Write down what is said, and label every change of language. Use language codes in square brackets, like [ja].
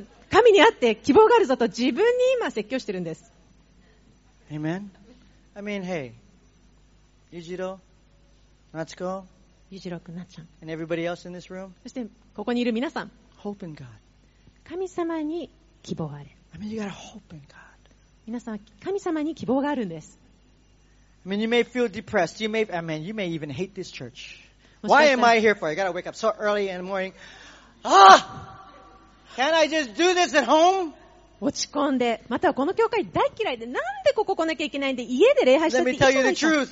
[ja] 神にあって希望があるぞと自分に今説教してるんです。 [en] Amen. I mean, hey, Yujiro, Natsuko, [ja] Yujiro くん、なっちゃん、 [en] and everybody else in this room. [ja] そしてここにいる皆さん、 [en] Hope in God. [ja] 神様に希望あれ。 [en] I mean, you gotta hope in God. [ja] 皆さん、神様に希望があるんです。 [en] I mean, you may feel depressed. You may even hate this church. Why am I here for? I gotta wake up so early in the morning. Can I just do this at home? [ja] 落ち込んで、またはこの教会大嫌いで、なんでここ来なきゃいけないんで、家で礼拝したっていいじゃないですか。